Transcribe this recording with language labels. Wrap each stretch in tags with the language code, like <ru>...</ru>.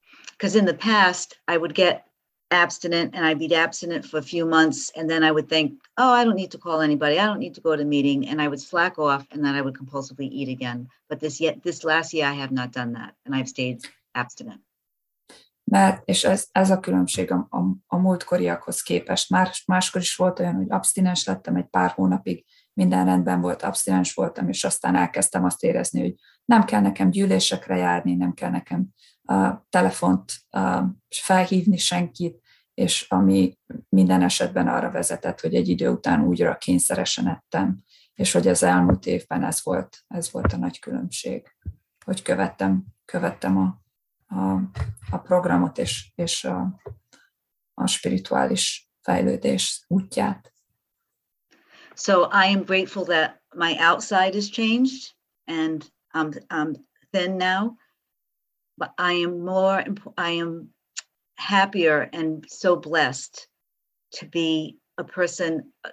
<en>Because in the past, I would get abstinent, and I'd be abstinent for a few months, and then I would think, oh, I don't need to call anybody, I don't need to go to a meeting, and I would slack off, and then I would compulsively eat again. But this last year, I have not done that, and I've stayed abstinent.</en> <hu>Mert, és ez a különbség a múltkoriakhoz képest. Máskor is volt olyan, hogy abstinens lettem egy pár hónapig, minden rendben volt, abstinens voltam, és aztán elkezdtem azt érezni, hogy nem kell nekem gyűlésekre járni, nem kell nekem telefont felhívni senkit, és ami minden esetben arra vezetett, hogy egy idő után újra kényszeresen ettem, és hogy az elmúlt évben ez volt a nagy különbség, hogy követtem a programot és a spirituális fejlődés útját.</hu> <en>So I am grateful that my outside has changed and I'm thin now, but I am happier and so blessed to be a person.</en>